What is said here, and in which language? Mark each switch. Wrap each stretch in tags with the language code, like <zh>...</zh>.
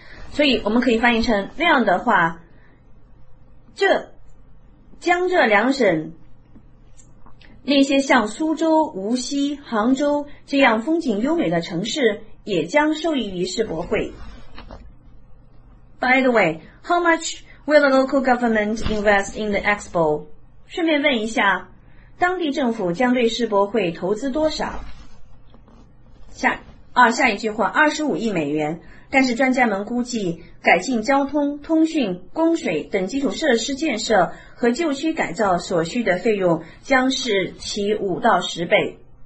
<zh>所以我们可以翻译成，那样的话这江浙两省那些像苏州、无锡、杭州这样风景优美的城市也将受益于世博会。</zh> <en>By the way, how much will the local government invest in the expo?</en> <zh>顺便问一下，当地政府将对世博会投资多少？下一句话，25亿美元。但是专家们估计，改进交通、通讯、供水等基础设施建设和旧区改造所需的费用将是其5到10倍。</zh>